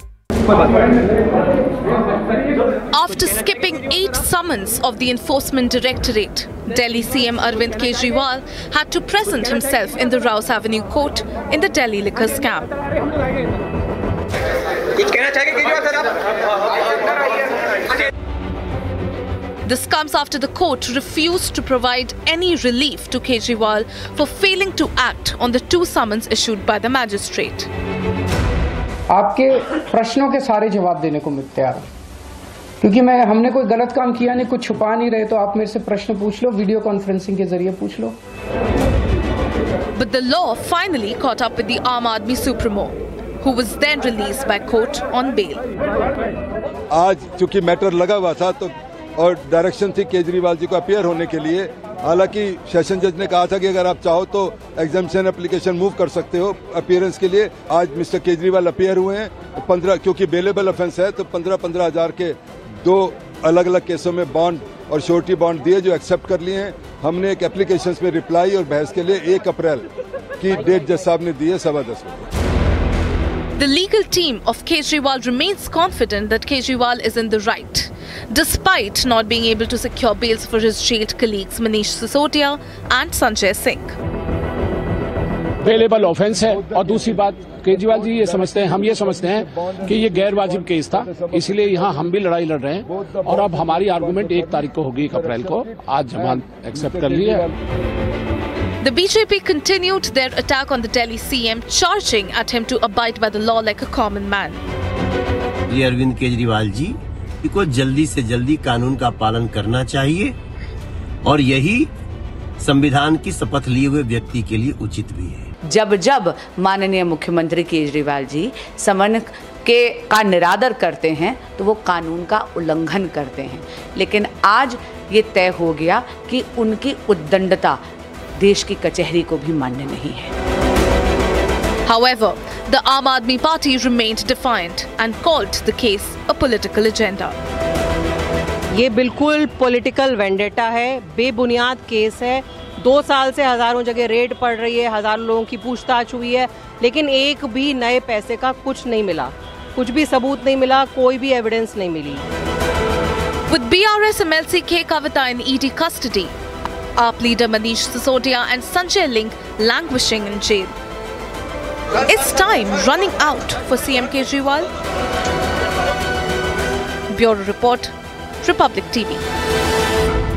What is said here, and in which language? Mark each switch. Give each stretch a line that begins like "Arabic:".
English: After skipping 8 summons of the Enforcement Directorate, Delhi CM Arvind Kejriwal had to present himself in the Rouse Avenue court in the Delhi liquor scam. This comes after the court refused to provide any relief to Kejriwal for failing to act on the 2 summons issued by the magistrate.
Hindi: आपके प्रश्नों के सारे जवाब देने को मैं तैयार हूं, क्योंकि मैं, हमने कोई गलत काम किया नहीं, कुछ छुपा नहीं रहे, तो आप मेरे से प्रश्न पूछ लो, वीडियो कॉन्फ्रेंसिंग के जरिए पूछ लो।
English: But the law finally caught up with the Aam Aadmi Supremo, who was then released by court on bail.
Hindi: आज चूंकि मैटर लगा हुआ था तो और डायरेक्शन थी केजरीवाल जी को अपीयर होने के लिए, हालांकि सेशन जज ने कहा था कि अगर आप चाहो तो एग्जेम्पशन एप्लीकेशन मूव कर सकते हो अपीयरेंस के लिए। आज मिस्टर केजरीवाल अपीयर हुए हैं, 15 क्योंकि बेलेबल ऑफेंस है तो 15,000 के 2 अलग अलग केसों में बॉन्ड और श्योरिटी बॉन्ड दिए जो एक्सेप्ट कर लिए हैं। हमने एक एप्लीकेशन में रिप्लाई और बहस के लिए 1 अप्रैल की डेट जज साहब ने दी है 10:15।
English: The legal team of Kejriwal remains confident that Kejriwal is in the right, despite not being able to secure bails for his jailed colleagues Manish Sisodia and Sanjay Singh.
Hindi: Available offence है, और दूसरी बात केजरीवाल जी ये समझते हैं, हम ये समझते हैं कि ये गैर वाजिब केस था, इसलिए यहाँ हम भी लड़ाई लड़ रहे हैं, और अब हमारी आर्गुमेंट 1 तारीख को होगी, 1 अप्रैल को, आज जमानत एक्सेप्ट कर ली है।
English: The BJP continued their attack on the Delhi CM, charging at him to abide by the law like a common man.
Hindi: Arvind Kejriwal ji को जल्दी से जल्दी कानून का पालन करना चाहिए, और यही संविधान की शपथ लिए हुए व्यक्ति के लिए उचित भी है। जब जब माननीय मुख्यमंत्री केजरीवाल जी समन के का निरादर करते हैं तो वो कानून का उल्लंघन करते हैं, लेकिन आज ये तय हो गया कि उनकी उद्दंडता देश की कचहरी को भी मान्य नहीं है।
English: However, the Aam Aadmi Party remained defiant and called the case a political agenda.
Hindi: ये बिल्कुल
English: political vendetta
Hindi: है, बेबुनियाद केस है। 2 साल से हजारों जगह रेड पड़ रही है, हजारों लोगों की पूछताछ हुई है, लेकिन एक भी नए पैसे का कुछ नहीं मिला, कुछ भी सबूत नहीं मिला, कोई भी evidence नहीं मिली।
English: With BRS MLC K Kavita in ED custody, AAP leader Manish Sisodia and Sanjay Ling languishing in jail. It's time running out for CM Kejriwal. Bureau Report, Republic TV.